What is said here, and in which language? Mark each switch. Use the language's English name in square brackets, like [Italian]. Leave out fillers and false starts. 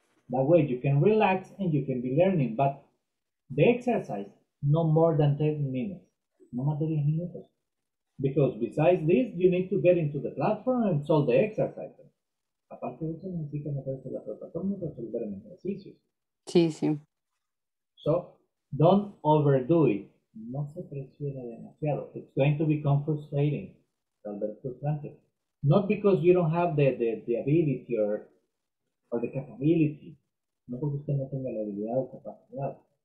[English] That way you can relax and you can be learning. But the exercise, no more than 10 minutes. [Spanish] No más de 10 minutos. [English] Because besides this, you need to get into the platform and solve the exercise. [Spanish] Aparte de eso, necesitas meterse en la plataforma y resolver en ejercicios. Sí, sí. [English] So, don't overdo it. [Spanish] No se presione demasiado. [English] It's going to become frustrating. [Spanish] Tal vez frustrante. [English] Not because you don't have the ability or the capability. [Spanish] No porque usted no tenga la habilidad o capacidad.